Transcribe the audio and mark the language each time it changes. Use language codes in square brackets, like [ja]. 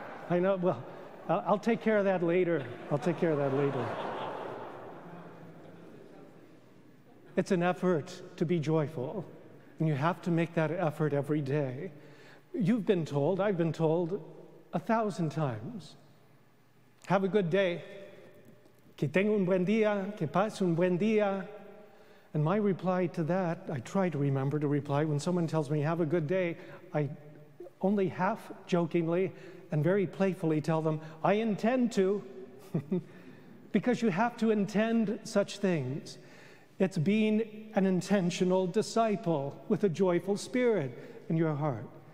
[en] I know, well, I'll take care of that later. I'll take care of that later. It's an effort to be joyful, and you have to make that effort every day. You've been told, I've been told 1,000 times, have a good day. [es] Que tenga un buen día, que pase un buen día. [en] And my reply to that, I try to remember to reply when someone tells me, have a good day, I only half jokingly and very playfully tell them, I intend to, because you have to intend such things. It's being an intentional disciple with a joyful spirit in your heart.